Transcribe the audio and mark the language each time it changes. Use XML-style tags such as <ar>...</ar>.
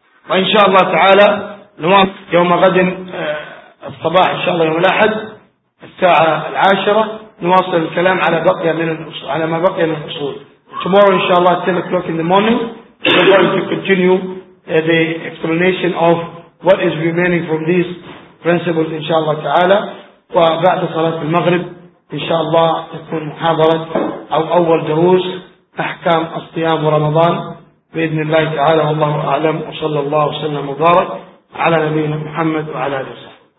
<ar>وإن شاء الله تعالى يوم غد الصباح إن شاء الله يوم الأحد الساعة 10 نواصل الكلام على بقية من على ما بقي من الأصول.</ar> <en>Tomorrow</en> <ar>إن شاء الله</ar> <en>10 o'clock in the morning we're going to continue the explanation of what is remaining from these principles</en> <ar>إن شاء الله تعالى. وبعد صلاة المغرب إن شاء الله تكون محاضرة أو أول دروس أحكام الصيام ورمضان بإذن الله تعالى. والله أعلم, وصلى الله وسلم وبارك على نبينا محمد وعلى آله وصحبه.</ar>